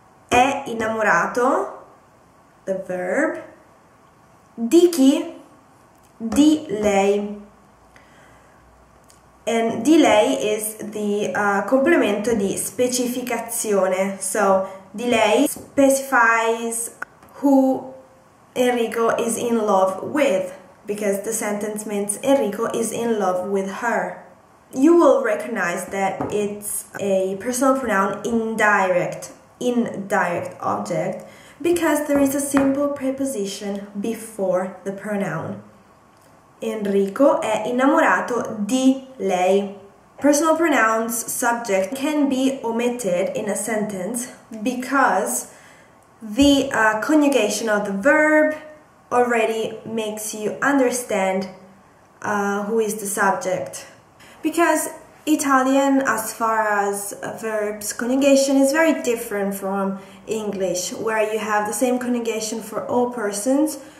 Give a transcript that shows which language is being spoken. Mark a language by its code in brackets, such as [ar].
[it] È innamorato, [en] the verb, [it] di chi? Di lei. [en] And delay is the [it] complemento di specificazione. [en] So delay specifies who Enrico is in love with, because the sentence means Enrico is in love with her. You will recognize that it's a personal pronoun indirect object, because there is a simple preposition before the pronoun. [it] Enrico è innamorato di lei. [en] Personal pronouns subject can be omitted in a sentence because the conjugation of the verb already makes you understand who is the subject. Because Italian, as far as verbs conjugation, is very different from English, where you have the same conjugation for all persons.